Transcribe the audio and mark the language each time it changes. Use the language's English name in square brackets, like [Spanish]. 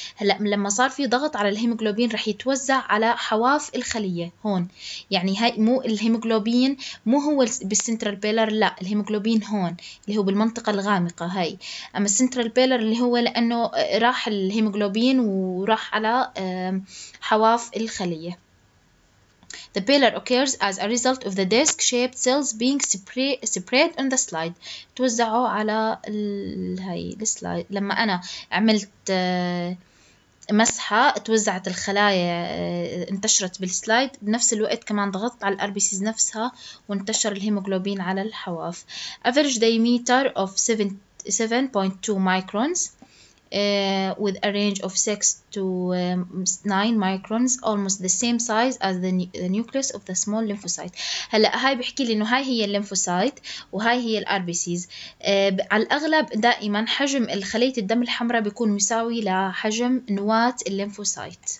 [Arabic] هلا لما صار في ضغط على الهيموغلوبين رح يتوزع على حواف الخلية هون، يعني هاي مو الهيموغلوبين، مو هو بالسنترال بيلر، لا، الهيموغلوبين هون اللي هو بالمنطقة الغامقة هاي، اما السنترال بيلر اللي هو لأنه راح الهيموغلوبين وراح على حواف الخلية. [English] The pillar occurs as a result of the disc-shaped cells being spread on the slide. [Arabic] توزعوا على هاي السلايد. لما أنا عملت مسحة توزعت الخلايا، انتشرت بالسلايد، بنفس الوقت كمان ضغطت على الار بي سيز نفسها وانتشر الهيموغلوبين على الحواف. [English] Average diameter of 7.2 microns with a range of 6 to 9 microns, almost the same size as the nucleus of the small lymphocyte. [Arabic] هلا هاي بحكي لي انه هاي هي الليمفوسايت وهاي هي الار بي سيز. على الاغلب دائما حجم الخليه الدم الحمراء بيكون مساوي لحجم نواه الليمفوسايت.